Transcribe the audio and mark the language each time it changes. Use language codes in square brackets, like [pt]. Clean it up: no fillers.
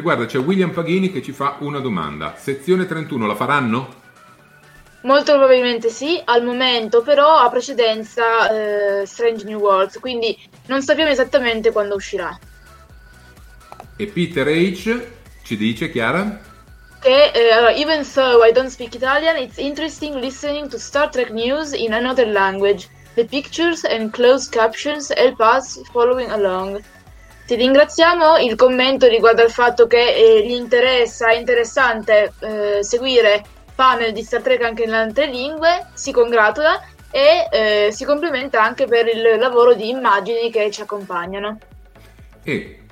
[it] Guarda, c'è William Paghini che ci fa una domanda: sezione 31 la faranno? Molto probabilmente sì, al momento però ha precedenza Strange New Worlds, quindi non sappiamo esattamente quando uscirà. E Peter H ci dice, Chiara, che [en] even though I don't speak Italian, it's interesting listening to Star Trek news in another language. The pictures and closed captions help us following along. [it] Ti ringraziamo. Il commento riguarda il fatto che gli interessa, è interessante seguire panel di Star Trek anche in altre lingue, si congratula e si complimenta anche per il lavoro di immagini che ci accompagnano. E